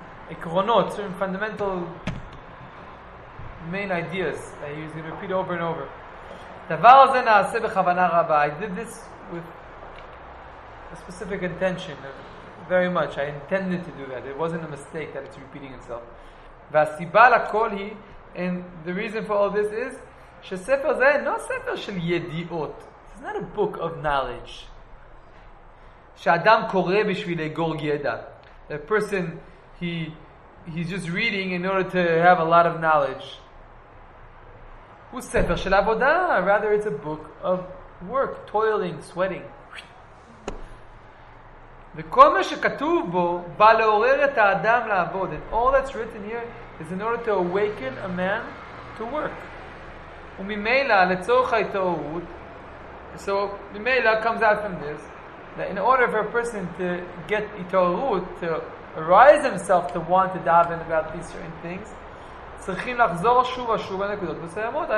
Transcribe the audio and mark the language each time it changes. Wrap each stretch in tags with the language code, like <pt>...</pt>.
<en>עקרונות, certain fundamental main ideas that he's going to repeat over and over.</en> <he>דבר הזה נעשה בכוונה רבה.</he> <en>I did this with a specific intention, very much. I intended to do that. It wasn't a mistake that it's repeating itself.</en> <he>והסיבה לכל היא,</he> <en>and the reason for all this is,</en> <he>שספר זה אינו ספר של ידיעות.</he> <en>It's not a book of knowledge.</en> <he>שאדם קורא בשביל אגור ידע.</he> <en>A person, he's just reading in order to have a lot of knowledge.</en> <he>Hu sefer shel avoda,</he> <en>rather it's a book of work, toiling, sweating.</en> <he>וכל מה שכתוב בו בא לעורר את האדם לעבוד.</he> <en>And all that's written here is in order to awaken a man to work.</en> <he>וממילא לצורך ההתעוררות,</he> <en>so ממילא comes out from this that in order for a person to get התעוררות, to arise himself to want to daven about these certain things,</en> <he>צריכים לחזור שוב ושוב הנקודות מסוימות.</he>